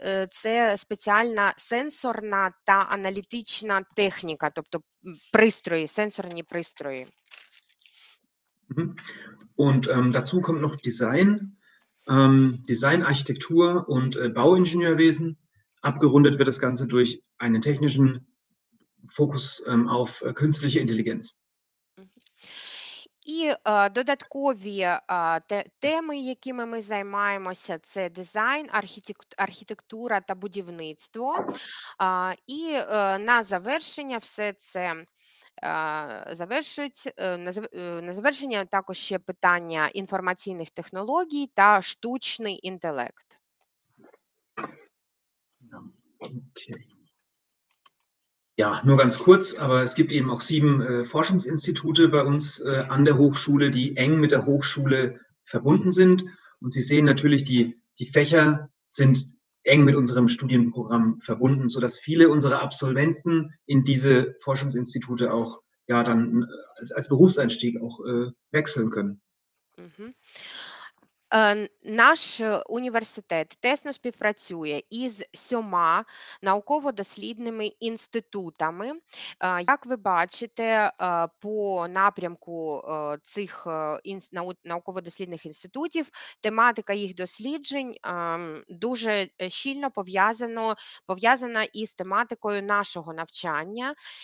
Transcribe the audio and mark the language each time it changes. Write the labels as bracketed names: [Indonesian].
[Ukrainian] Це спеціальна сенсорна та аналітична техніка, тобто пристрої, сенсорні пристрої. [German] Und dazu kommt noch Design, Design, Architektur und Bauingenieurwesen. Abgerundet wird das Ganze durch einen technischen Fokus auf künstliche Intelligenz. [Ukrainian] І додаткові теми, якими ми займаємося, це дизайн, архітектура та будівництво. І на завершення все це завершують, на завершення також ще питання інформаційних технологій та штучний інтелект. [German] Ja, nur ganz kurz, aber es gibt eben auch 7 Forschungsinstitute bei uns an der Hochschule, die eng mit der Hochschule verbunden sind. Und Sie sehen natürlich, die Fächer sind eng mit unserem Studienprogramm verbunden, sodass viele unserer Absolventen in diese Forschungsinstitute auch ja dann als Berufseinstieg auch wechseln können. Mhm. [Ukrainian] Наш університет тесно співпрацює із 7 науково-дослідними інститутами. Як ви бачите, по напрямку цих науково-дослідних інститутів, тематика їх досліджень дуже щільно пов'язана із тематикою нашого навчання.